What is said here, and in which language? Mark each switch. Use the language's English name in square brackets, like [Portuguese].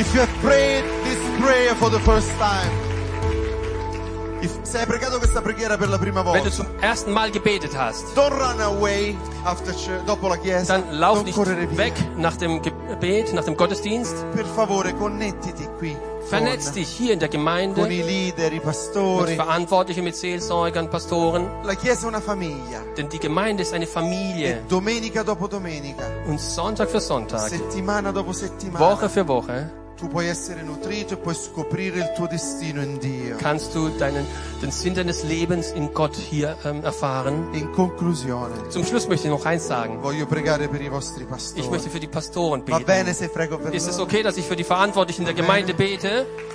[English] If you have prayed this prayer for the first time. [Italian] Se hai pregato questa preghiera per la prima volta, [German] wenn du zum ersten Mal gebetet hast, [English] don't run away after church, [Italian] dopo la chiesa, [German] dann lauf nicht weg nach dem Gebet, nach dem Gottesdienst. [Italian] Per favore, connettiti qui. [German] Vernetz dich hier in der Gemeinde, [Italian] con i leader, i pastori, [German] mit Verantwortlichen, mit Seelsorgern, Pastoren. [Italian] La chiesa è una famiglia. [German] Denn die Gemeinde ist eine Familie. [Italian] E domenica dopo domenica, [German] und Sonntag für Sonntag, [Italian] settimana dopo settimana, [German] Woche für Woche. [Italian] Tu puoi essere nutrito e puoi scoprire il tuo destino in Dio. [German] Kannst du den Sinn deines Lebens in Gott hier erfahren? [Italian] In conclusione. [German] Zum Schluss möchte ich noch eins sagen. [Italian] Voglio pregare per i vostri pastori. [German] Ich möchte für die Pastoren beten. [Italian] Va bene se prego per loro? [German] Ist es okay, dass ich für die Verantwortlichen der Gemeinde bete?